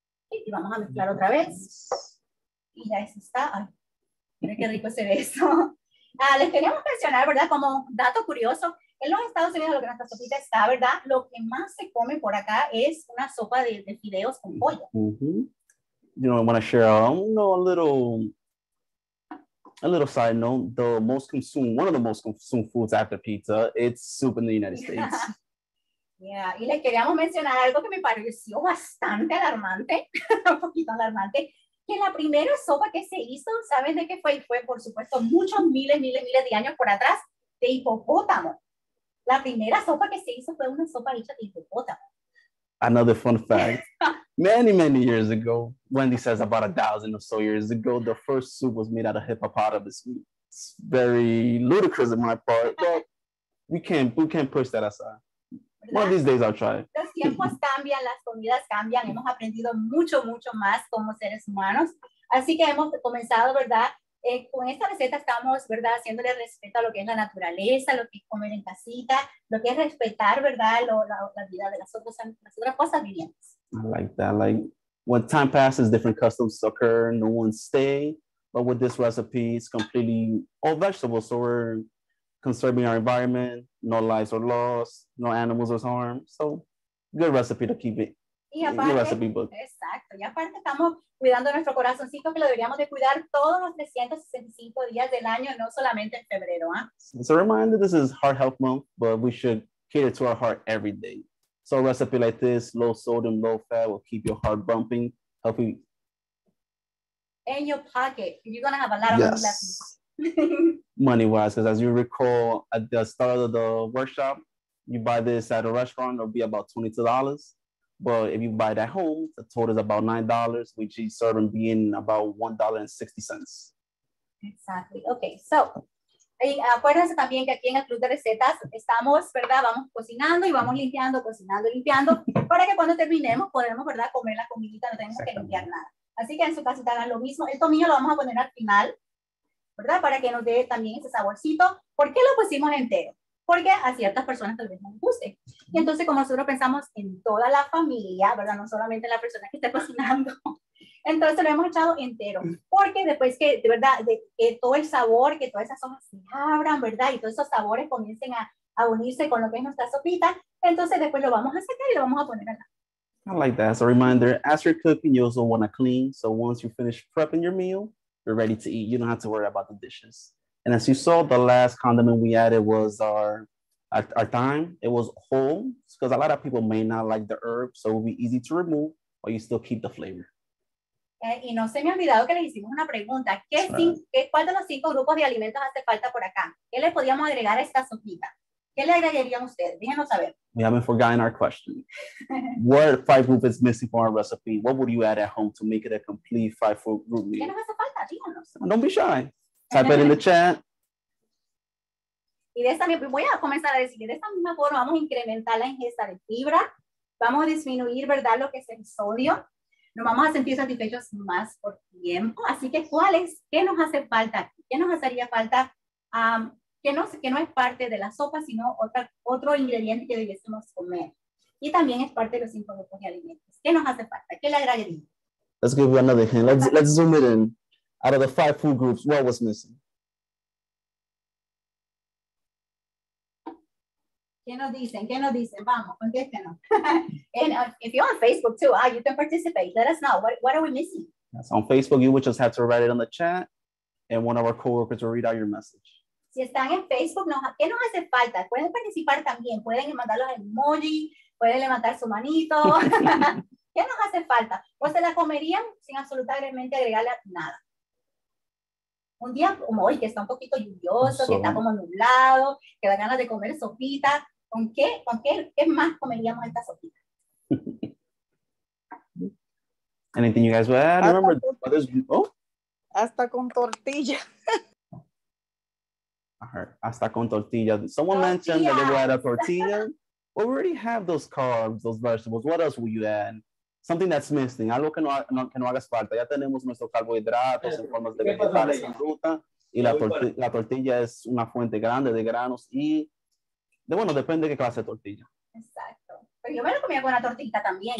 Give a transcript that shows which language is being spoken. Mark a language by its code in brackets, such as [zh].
[es] y vamos a mezclar otra vez. Y ya eso está. Ay, mira qué rico se ve eso. Ah, les queríamos mencionar, ¿verdad? Como dato curioso, en los Estados Unidos lo que nuestra sopita está, ¿verdad? Lo que más se come por acá es una sopa de fideos con pollo. Mm-hmm. [en] You know, I want to share a little side note, one of the most consumed foods after pizza, it's soup in the United States. [es] Yeah, y les queríamos mencionar algo que me pareció bastante alarmante, un poquito alarmante, que la primera sopa que se hizo, ¿saben de qué fue? Y fue, por supuesto, muchos miles de años por atrás, de hipopótamo. La primera sopa que se hizo fue una sopa hecha de hipopótamo. [en] Another fun fact, many, many years ago, Wendy says about 1,000 or so years ago, the first soup was made out of hippopotamus. It's very ludicrous on my part, but we can't push that aside. One of these days I'll try. [es] Los tiempos cambian, las comidas cambian, hemos aprendido mucho, mucho más como seres humanos. Así que hemos comenzado, ¿verdad? Con esta receta estamos, ¿verdad? Haciéndole respeto a lo que es la naturaleza, lo que es comer en casita, lo que es respetar, ¿verdad? La vida de las otras cosas vivientes. [en] I like that. Like, when time passes, different customs occur, no one stay. But with this recipe, it's completely all vegetables, so we're conserving our environment, no lives are lost, no animals are harmed. So, good recipe to keep it. [es] Y aparte, [en] recipe book. [es] Exacto. Y aparte estamos cuidando nuestro corazoncito, que lo deberíamos de cuidar todos los 365 días del año, no solamente en febrero. ¿Eh? [en] It's a reminder, this is Heart Health Month, but we should cater to our heart every day. So a recipe like this, low sodium, low fat, will keep your heart bumping, helping. In your pocket, you're going to have a lot of money left. Money-wise, because as you recall, at the start of the workshop, you buy this at a restaurant, it'll be about $22. But if you buy it at home, the total is about $9, which is serving being about $1.60. Exactly. Okay, so, [es] y acuérdense también que aquí en el Club de Recetas estamos, ¿verdad? Vamos cocinando y vamos limpiando, cocinando, limpiando, para que cuando terminemos podemos, ¿verdad? Comer la comidita, no tenemos que limpiar nada. Así que en su casita hagan lo mismo. El tomillo lo vamos a poner al final, ¿verdad? Para que nos dé también ese saborcito. ¿Por qué lo pusimos entero? Porque a ciertas personas tal vez no les guste. Y entonces, como nosotros pensamos en toda la familia, ¿verdad? No solamente la persona que está cocinando. Entonces lo hemos echado entero. Porque después que, de verdad, que todo el sabor, que todas esas hojas se abran, ¿verdad? Y todos esos sabores comiencen a unirse con lo que es nuestra sopita. Entonces después lo vamos a sacar y lo vamos a poner acá. [en] I like that. As a reminder, as you're cooking, you also want to clean. So once you finish prepping your meal, you're ready to eat. You don't have to worry about the dishes. And as you saw, the last condiment we added was our thyme. It was whole, because a lot of people may not like the herb, so it will be easy to remove, but you still keep the flavor. [es] Y no se me ha olvidado que le hicimos una pregunta. ¿Cuál de los 5 grupos de alimentos hace falta por acá? ¿Qué le podíamos agregar a esta sopita? ¿Qué le agregarían ustedes? Déjenos saber. [en] We haven't forgotten our question. What 5 groups is missing from our recipe? What would you add at home to make it a complete 5-food group meal? [es] ¿Qué nos hace falta? Díganos. [en] Don't be shy. Type it in the chat. [es] Y de esta, voy a comenzar a decir, de esta misma forma vamos a incrementar la ingesta de fibra, vamos a disminuir, ¿verdad?, lo que es el sodio, nos vamos a sentir satisfechos más por tiempo. Así que, ¿cuál es? ¿Qué nos hace falta? ¿Qué nos haría falta? Que no es parte de la sopa, sino otro ingrediente que debiésemos comer. Y también es parte de los 5 grupos de alimentos. ¿Qué nos hace falta? ¿Qué le agregaría? [en] Let's give you another hint. Let's zoom it in. Out of the 5 food groups, what was missing? [es] ¿Qué nos dicen? ¿Qué nos dicen? Vamos, contéstenos. [en] And if you're on Facebook too, you can participate. Let us know. What are we missing? That's on Facebook, you would just have to write it on the chat, and one of our coworkers will read out your message. [es] Si están en Facebook, ¿qué nos hace falta? Pueden participar también. Pueden mandar los emojis. Pueden levantar su manito. ¿Qué nos hace falta? ¿O se la comerían sin absolutamente agregarle nada? Un día como hoy, que está un poquito lluvioso, que está como nublado, que da ganas de comer sopita. ¿Con qué más comeríamos esta sopita? [en] Anything you guys would add? Remember, [es] Hasta con tortilla. [en] I heard, [es] hasta con tortilla. [en] Someone mentioned that they would add a tortilla. Well, we already have those carbs, those vegetables. What else will you add? Something that's missing, [es] algo que no hagas falta. Ya tenemos nuestros carbohidratos en formas de vegetales y fruta. Y la tortilla es una fuente grande de granos. Y de bueno, depende de qué clase de tortilla. Exacto. Pero yo me lo comía con una tortita también.